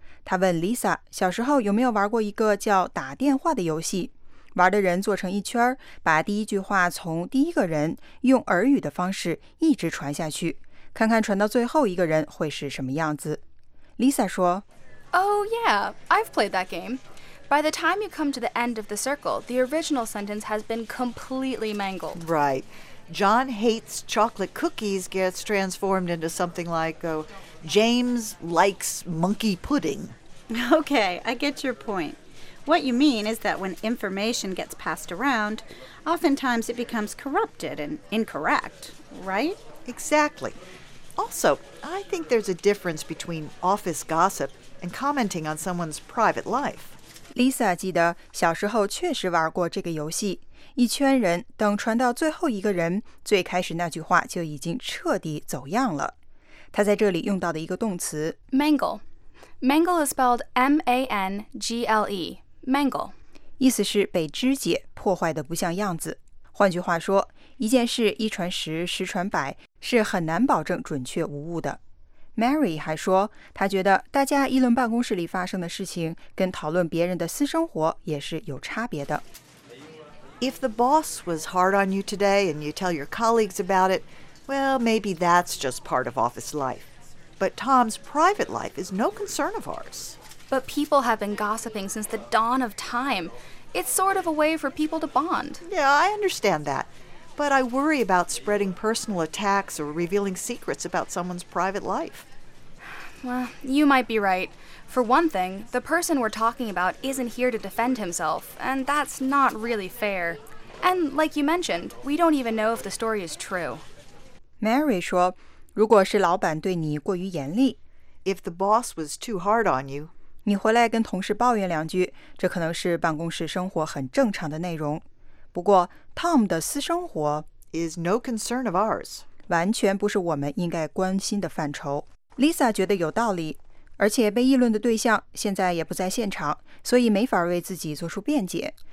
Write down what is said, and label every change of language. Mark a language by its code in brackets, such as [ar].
[zh] 她问 Lisa 小时候有没有玩过一个叫打电话的游戏，玩的人坐成一圈，把第一句话从第一个人用耳语的方式一直传下去，看看传到最后一个人会是什么样子。 Lisa 说 [en] Oh yeah, I've played that game. By the time you come to the end of the circle, the original sentence has been completely mangled. Right. John hates chocolate cookies gets transformed into something like, James likes monkey pudding. Okay, I get your point. What you mean is that when information gets passed around, oftentimes it becomes corrupted and incorrect, right? Exactly. Also, I think there's a difference between office gossip and commenting on someone's private life. [zh] Lisa 记得小时候确实玩过这个游戏，一圈人等传到最后一个人，最开始那句话就已经彻底走样了。他在这里用到的一个动词 [en] mangle. Mangle is spelled M-A-N-G-L-E. Mangle. [zh] 意思是被肢解，破坏得不像样子。换句话说，一件事一传十，十传百，是很难保证准确无误的。 Mary 还说，她觉得大家议论办公室里发生的事情，跟讨论别人的私生活也是有差别的。 [en] If the boss was hard on you today and you tell your colleagues about it, well, maybe that's just part of office life. But Tom's private life is no concern of ours. But people have been gossiping since the dawn of time. It's sort of a way for people to bond. Yeah, I understand that. But I worry about spreading personal attacks or revealing secrets about someone's private life. Well, you might be right. For one thing, the person we're talking about isn't here to defend himself, and that's not really fair. And like you mentioned, we don't even know if the story is true. [zh] Mary 说，如果是老板对你过于严厉 [en] ，If the boss was too hard on you， [zh] 你回来跟同事抱怨两句，这可能是办公室生活很正常的内容。不过 ，Tom 的私生活 [en] is no concern of ours， [zh] 完全不是我们应该关心的范畴。Lisa 觉得有道理，而且被议论的对象现在也不在现场，所以没法为自己做出辩解。